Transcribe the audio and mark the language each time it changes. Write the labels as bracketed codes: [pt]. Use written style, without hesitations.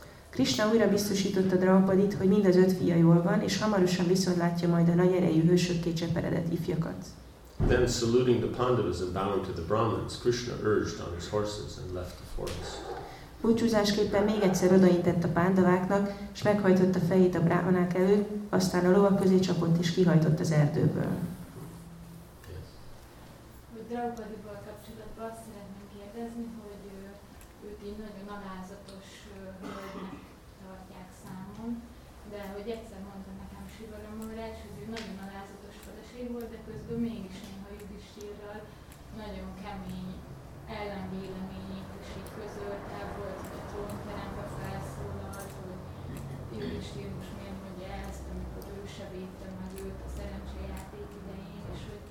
[hu] Krishna újra biztosította Draupadit, hogy mind az öt fia jól van, és hamarosan viszont látja majd a nagy erejű hősökké cseperedett ifjakat. [en] Then saluting the Pandavas and bowing to the Brahmins, Krishna urged on his horses and left the forest. [hu] Búcsúzásképpen még egyszer odaintett a Pandaváknak, és meghajtotta fejét a brahmanák előtt, aztán a lovak közé csapott és kihajtott az erdőből. [en] Yes. [hu] hogy Draupadival kapcsolatban azt szeretném kérdezni, hogy őt így nagyon alázatos hölgynek tartják számon, de hogy egyszer mondta nekem Sivara Maharadzsa, hogy ő nagyon alázatos feleség volt, de közben mégis néha Yudhisthirral nagyon kemény ellenvéleményét is így közölte, volt, hogy a trónteremben felszólalt, hogy Yudhisthira most miért mondja ezt, amikor ő se védte meg őt a szerencsejáték idején, és